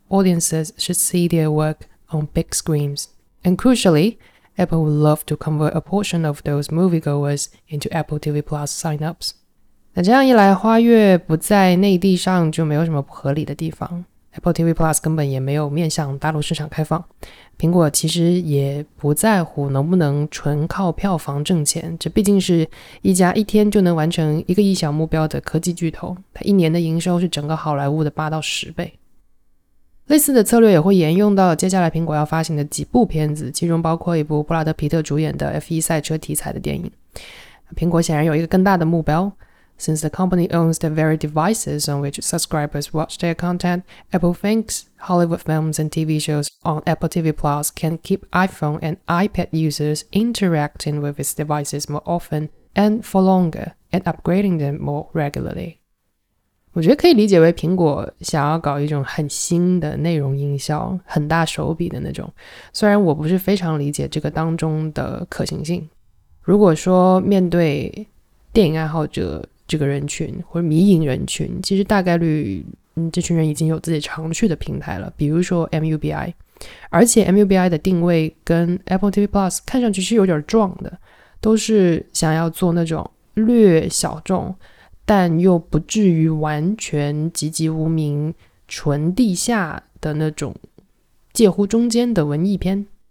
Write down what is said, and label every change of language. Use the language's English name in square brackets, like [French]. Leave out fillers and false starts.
[English] audiences should see their work on big screens. And crucially, Apple would love to convert a portion of those moviegoers into Apple TV Plus signups. [Chinese] 那这样一来，花月不在内地上就没有什么不合理的地方。 Apple TV Plus 根本也没有面向大陆市场开放，苹果其实也不在乎能不能纯靠票房挣钱，这毕竟是一家一天就能完成一个亿小目标的科技巨头，它一年的营收是整个好莱坞的八到十倍。类似的策略也会沿用到接下来苹果要发行的几部片子，其中包括一部布拉德皮特主演的 F1 赛车题材的电影。苹果显然有一个更大的目标。 [English] Since the company owns the very devices on which subscribers watch their content, Apple thinks Hollywood films and TV shows on Apple TV Plus can keep iPhone and iPad users interacting with its devices more often and for longer, and upgrading them more regularly. [Chinese] 我觉得可以理解为苹果想要搞一种很新的内容营销，很大手笔的那种，虽然我不是非常理解这个当中的可行性。如果说面对电影爱好者这个人群或者迷影人群，其实大概率这群人已经有自己常去的平台了，比如说 MUBI， 而且 MUBI 的定位跟 Apple TV Plus 看上去是有点撞的，都是想要做那种略小众但又不至于完全籍籍无名纯地下的那种介乎中间的文艺片。